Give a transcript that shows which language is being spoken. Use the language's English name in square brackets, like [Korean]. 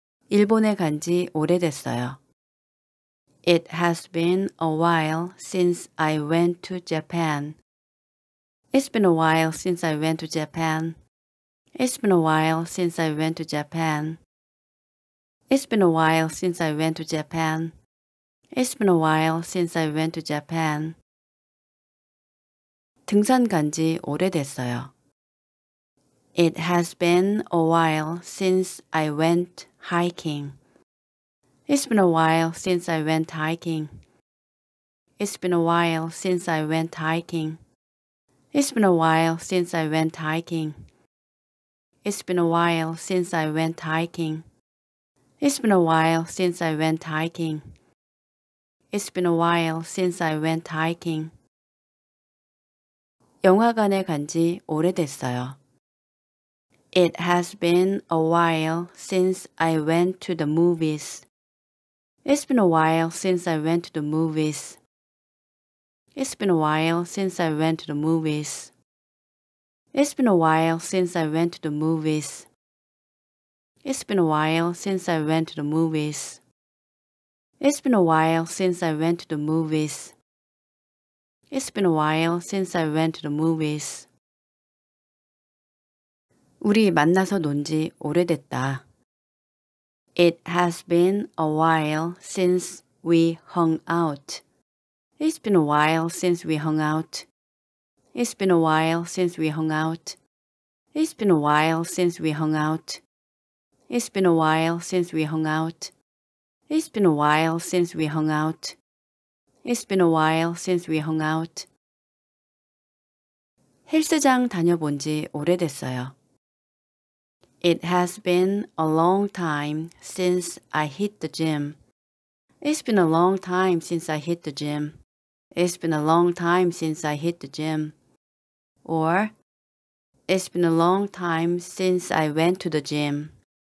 [Korean] 일본에 간 지 오래됐어요. [English] It has been a while since I went to Japan. It's been a while since I went to Japan. It's been a while since I went to Japan. It's been a while since I went to Japan. It's been a while since I went to Japan. [Korean] 등산 간 지 오래됐어요. [English] It has been a while since I went hiking. It's been a while since I went hiking. It's been a while since I went hiking. It's been a while since I went hiking. It's been a while since I went hiking. It's been a while since I went hiking. It's been a while since I went hiking. [Korean] 영화관에 간 지 오래됐어요. [English] It has been a while since I went to the movies. It's been a while since I went to the movies. It's been a while since I went to the movies. It's been a while since I went to the movies. It's been a while since I went to the movies. It's been a while since I went to the movies. It's been a while since I went to the movies. [Korean] 우리 만나서 논 지 오래됐다. [English] It has been a while since we hung out. It's been a while since we hung out. It's been a while since we hung out. It's been a while since we hung out. It's been a while since we hung out. It's been a while since we hung out. It's been a while since we hung out. [Korean] 헬스장 다녀본 지 오래됐어요. [English] It has been a long time since I hit the gym. It's been a long time since I hit the gym. It's been a long time since I hit the gym. Or, it's been a long time since I went to the gym.